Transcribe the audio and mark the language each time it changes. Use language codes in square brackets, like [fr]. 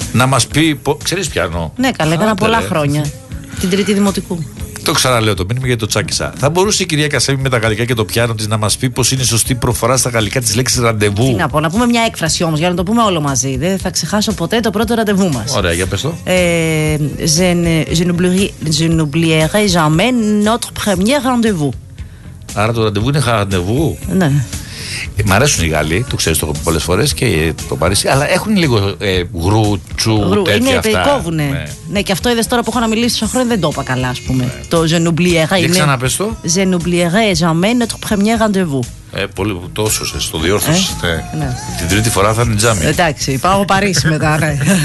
[el] Να μας πει. Ξέρεις πιάνο. Ναι, καλά, έκανα πολλά χρόνια. Την τρίτη δημοτικού. Το ξαναλέω το μήνυμα γιατί το τσάκισα. Θα μπορούσε η κυρία Κασέμη με τα γαλλικά και το πιάνο της να μας πει πως είναι η σωστή προφορά στα γαλλικά της λέξης ραντεβού. Τι να πω, να πούμε μια έκφραση όμως για να το πούμε όλο μαζί. Δεν θα ξεχάσω ποτέ το πρώτο ραντεβού μας. Ωραία, για πες το. [fr] Je n'oublierai jamais notre premier rendez-vous. [el] Άρα το ραντεβού είναι ραντεβού. Ναι. Μ' αρέσουν οι Γάλλοι, το ξέρεις, το έχω πει πολλές φορές και το Παρίσι, αλλά έχουν λίγο γρου, τέτοια είναι, αυτά. Ναι, κόβουνε. Ναι. Ναι, και αυτό είδες τώρα που έχω να μιλήσει στο χρόνο, δεν το είπα καλά, ας πούμε. Ναι. Το [fr] je n'oublierai jamais. [el] Για ξανά πες το. [fr] Je n'oublierai jamais notre premier rendez-vous. [el] Πολύ τόσο σε το διόρθωσε. Ναι. Την τρίτη φορά θα είναι τζάμι. Εντάξει, πάω Παρίσι μετά, ναι.